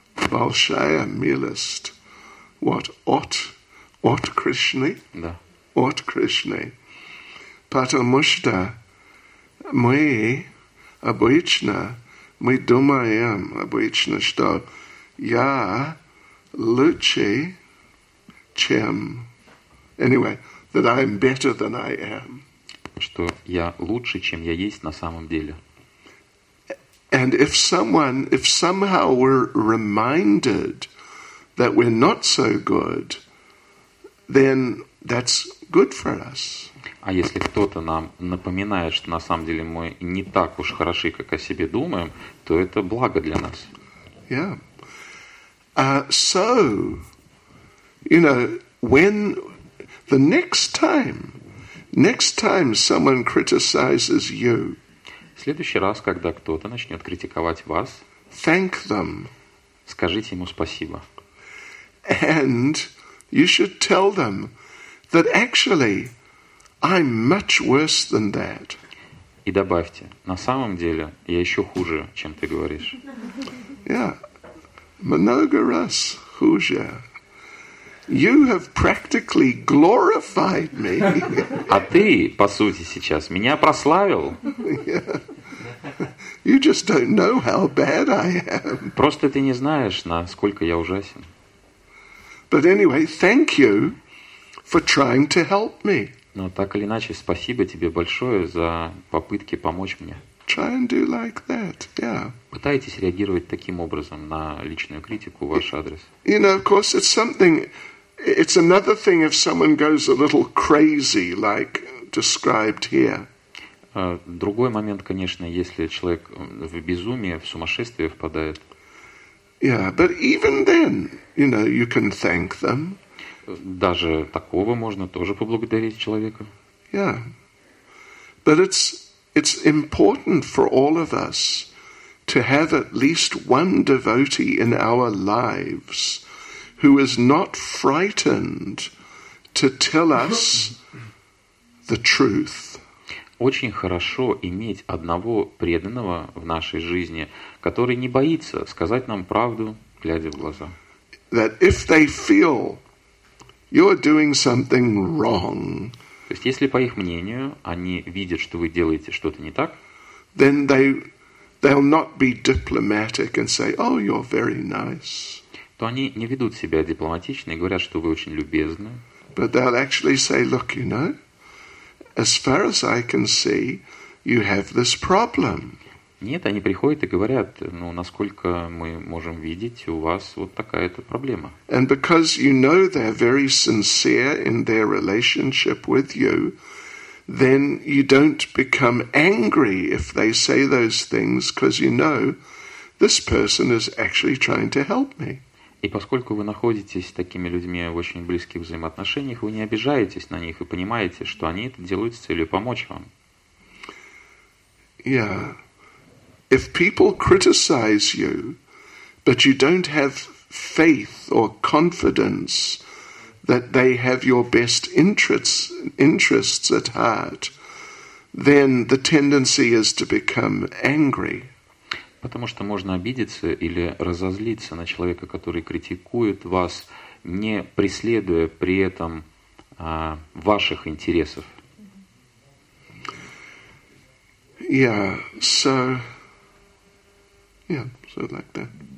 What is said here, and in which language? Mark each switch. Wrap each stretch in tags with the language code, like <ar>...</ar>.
<ru>Большая милость.</ru> <en>What?</en> <ru>От Кришны? Да. От Кришны. Потому что мы думаем обычно, что я лучше, чем...</ru> <en>Anyway, that I am better than I am.</en> <ru>Что я лучше, чем я есть на самом деле.</ru> <en>And if somehow we're reminded that we're not so good, then that's good for us.</en> <ru>А если кто-то нам напоминает, что на самом деле мы не так уж хороши, как о себе думаем, то это благо для нас.</ru> <en>Yeah. So, you know, when the next time someone criticizes you,</en> <ru>в следующий раз, когда кто-то начнет критиковать вас,</ru> <en>thank them.</en> <ru>Скажите ему спасибо.</ru> <en>And you should tell them that actually I'm much worse than that.</en> <ru>И добавьте, на самом деле я еще хуже, чем ты говоришь. Yeah, много раз хуже.</ru> <en>You have practically glorified me.</en> <ru>А ты, по сути, сейчас меня прославил.</ru> <en>Yeah. You just don't know how bad I am.</en> <ru>Просто ты не знаешь, насколько я ужасен.</ru> <en>But anyway, thank you for trying to help me.</en> <ru>Но так или иначе, спасибо тебе большое за попытки помочь мне.</ru> <en>Try and do like that, yeah.</en> <ru>Пытайтесь реагировать таким образом на личную критику в ваш адрес.</ru> <en>You know, of course, it's something. It's another thing if someone goes a little crazy, like described here.</en> <ru>Другой момент, конечно, если человек в безумие, в сумасшествие впадает.</ru> <en>Yeah, but even then, you know, you can thank them.</en> <ru>Даже такого можно тоже поблагодарить человека.</ru> <en>Yeah. But it's important for all of us to have at least one devotee in our lives who is not frightened to tell us the truth.</en> <ru>Очень хорошо иметь одного преданного в нашей жизни, который не боится сказать нам правду, глядя в глаза.</ru> <en>That if they feel you're doing something wrong,</en> <ru>то есть, если по их мнению они видят, что вы делаете что-то не так,</ru> <en>then they'll not be diplomatic and say, "Oh, you're very nice."</en> <ru>То они не ведут себя дипломатично и говорят, что вы очень любезны.</ru> <en>But they'll actually say, "Look, you know, as far as I can see, you have this problem."</en> <ru>Нет, они приходят и говорят, ну, насколько мы можем видеть, у вас вот такая-то проблема.</ru> <en>And because you know they're very sincere in their relationship with you, then you don't become angry if they say those things, because you know this person is actually trying to help me.</en> <ru>И поскольку вы находитесь с такими людьми в очень близких взаимоотношениях, вы не обижаетесь на них и понимаете, что они это делают с целью помочь вам.</ru> <en>Yeah. If people criticize you, but you don't have faith or confidence that they have your best interests at heart, then the tendency is to become angry.</en> <ru>Потому что можно обидеться или разозлиться на человека, который критикует вас, не преследуя при этом ваших интересов.</ru> <en>Yeah, so... Yeah, so like that.</en>